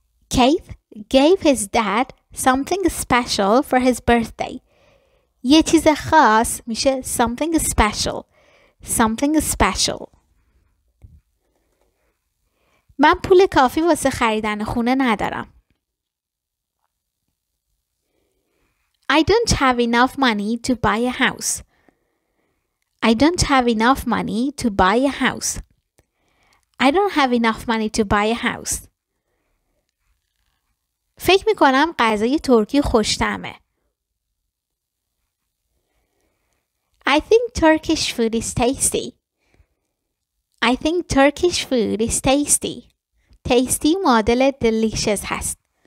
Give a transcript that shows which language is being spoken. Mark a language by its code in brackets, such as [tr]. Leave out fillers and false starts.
[en] Keith gave his dad something special for his birthday. [fa] یه چیز خاص میشه something special. Something special. من پول کافی واسه خریدن خونه ندارم. [en] I don't have enough money to buy a house. I don't have enough money to buy a house. I don't have enough money to buy a house. [fa] فکر میکنم غذای ترکی خوشتمه. [en] I think Turkish food is tasty. I think Turkish food is tasty. [fa] Tasty معادل delicious هست.